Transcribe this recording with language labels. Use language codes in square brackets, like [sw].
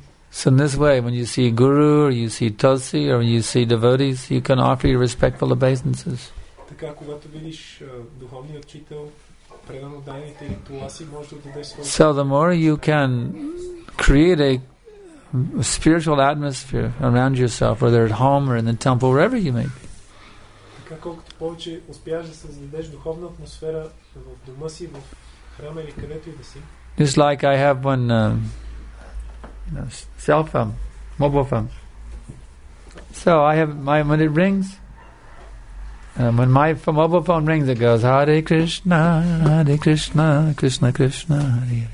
[en] So in this way, when you see Guru, or you see Tulsi, or you see devotees, you can offer your respectful obeisances. [bg] Така, когато видиш духовния учител, предано дайните или туласи, може да дадеш своя... [en] So the more you can create a spiritual atmosphere around yourself, whether at home or in the temple, wherever you may be. [bg] Така, колкото повече успяваш да създадеш духовна атмосфера в дома си, в храма или където и да си. [en] Just like I have one cell phone, mobile phone. So I have my, when it rings, when my mobile phone rings, it goes, Hare Krishna, Hare Krishna, Krishna Krishna, Hare Hare.